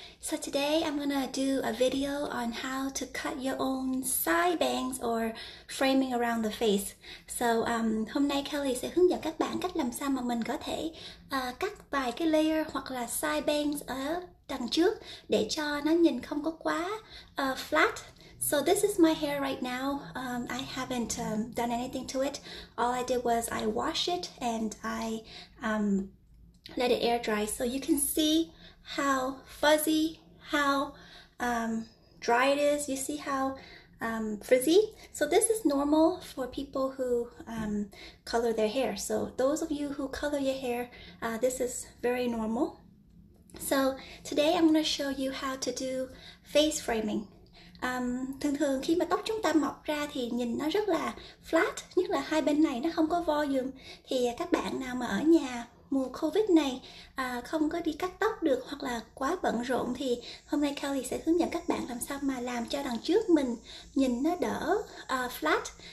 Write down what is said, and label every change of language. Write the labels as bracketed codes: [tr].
[en] So today I'm gonna do a video on how to cut your own side bangs or framing around the face. [vi] So hôm nay Kelly sẽ hướng dẫn các bạn cách làm sao mà mình có thể cắt vài cái layer hoặc là side bangs ở đằng trước để cho nó nhìn không có quá flat. [en] So this is my hair right now. I haven't done anything to it. All I did was I wash it and I let it air dry, so you can see how fuzzy, how dry it is. You see how frizzy. So this is normal for people who color their hair. So those of you who color your hair, this is very normal. So today I'm going to show you how to do face framing. [vi] Thường thường khi mà tóc chúng ta mọc ra thì nhìn nó rất là flat, nhất là hai bên này nó không có volume. Thì các bạn nào mà ở nhà mùa Covid này không có đi cắt tóc được hoặc là quá bận rộn thì hôm nay Kelly sẽ hướng dẫn các bạn làm sao mà làm cho đằng trước mình nhìn nó đỡ flat.